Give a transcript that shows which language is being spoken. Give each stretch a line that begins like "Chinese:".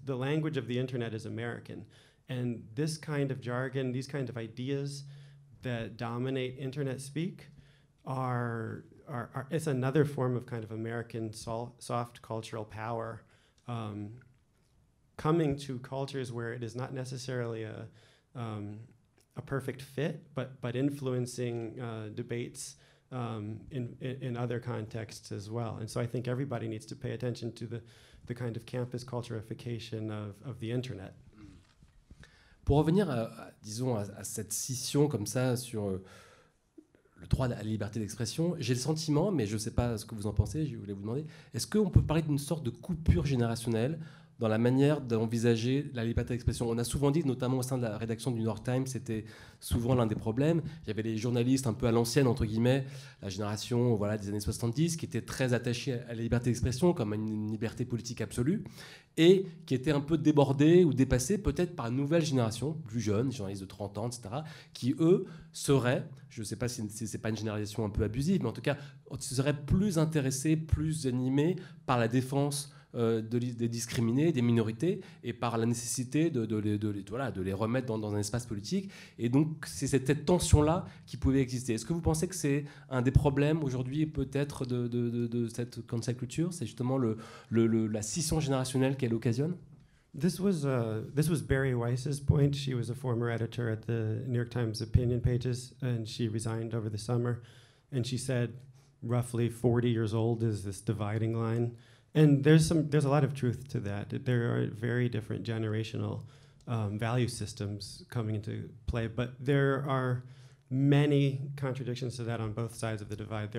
English: The language of the internet is American. And this kind of jargon, these kind of ideas that dominate internet speak are it's another form of kind of American soft cultural power coming to cultures where it is not necessarily a perfect fit, but influencing debates in other contexts as well. And so I think everybody needs to pay attention to the kind of campus culturification of the internet.
French: Pour revenir à cette scission comme ça sur le droit à la liberté d'expression, j'ai le sentiment, mais je ne sais pas ce que vous en pensez, je voulais vous demander, est-ce qu'on peut parler d'une sorte de coupure générationnelle dans la manière d'envisager la liberté d'expression? On a souvent dit, notamment au sein de la rédaction du New York Times, c'était souvent l'un des problèmes. Il y avait les journalistes un peu à l'ancienne, entre guillemets, la génération des années 70, qui étaient très attachés à la liberté d'expression comme à une liberté politique absolue, et qui étaient un peu débordés ou dépassés peut-être par une nouvelle génération, plus jeune, journalistes de 30 ans, etc., qui, eux, seraient, je ne sais pas si ce n'est pas une génération un peu abusive, mais en tout cas, seraient plus intéressés, plus animés par la défense des discriminés, des minorités, et par la nécessité de les remettre dans un espace politique. Et donc, c'est cette tension-là qui pouvait exister. Est-ce que vous pensez que c'est un des problèmes aujourd'hui, peut-être, de cette cancel culture? C'est justement la scission générationnelle qu'elle occasionne?
English: This was Barry Weiss's point. She was a former editor at the New York Times Opinion Pages, and she resigned over the summer. And she said, roughly 40 years old is this dividing line. And there's a lot of truth to that. There are very different generational value systems coming into play, but there are many contradictions to that on both sides of the divide.